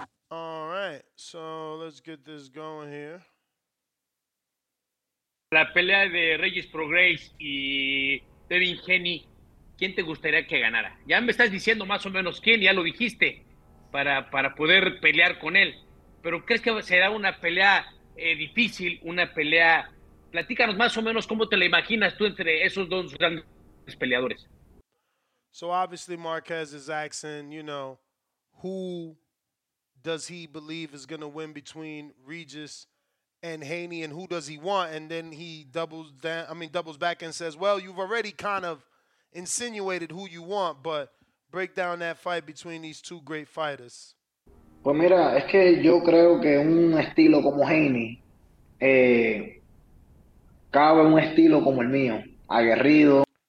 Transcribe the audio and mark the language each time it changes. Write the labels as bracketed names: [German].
[English] All right, so let's get this going here. [Spanish] La pelea de Regis Prograis y Devin Haney, ¿quién te gustaría que ganara? Ya me estás diciendo más o menos quién, ya lo dijiste, para poder pelear con él. Pero ¿crees que será una pelea difícil, una pelea? Platícanos más o menos cómo te la imaginas tú entre esos dos grandes peleadores. [English] So obviously Marquez is asking, you know, who does he believe is going to win between Regis and Haney, and who does he want? And then he doubles back and says, well, you've already kind of insinuated who you want, but break down that fight between these two great fighters. [Spanish] Pues mira, es que yo creo que un estilo como Haney cabe un estilo como el mío, aguerrido.